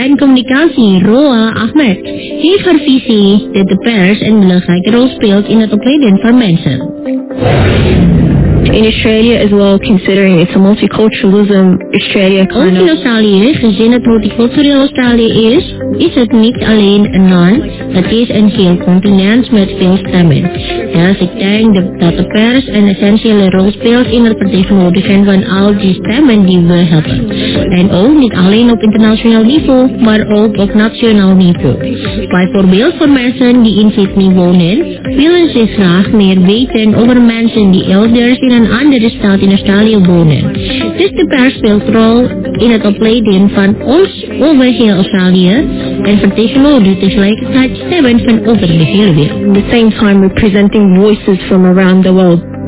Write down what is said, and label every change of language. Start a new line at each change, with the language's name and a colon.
Dutch: Roa Ahmed heeft haar visie dat de pers een belangrijke rol speelt in het opleiden van mensen.
English: In Australia as well, considering it's a multiculturalism, Australia kind of...
Dutch: Australië, gezien het multicultureel Australië is het niet alleen een land, het is een heel continent met veel stemmen. Dus ik denk dat de pers een essentiële rol speelt in het vertegenwoordigen van al die stemmen die we hebben. En ook niet alleen op internationaal niveau, maar ook op nationaal niveau. Bijvoorbeeld voor mensen die in Sydney wonen, willen ze graag meer weten over mensen die elders in een andere stad in Australië wonen. Dus de pers speelt rol in het opleiden van ons over heel Australië en vertegenwoordigt tegelijkertijd stemmen van over de hele wereld.
English: At the same time representing voices from around the world.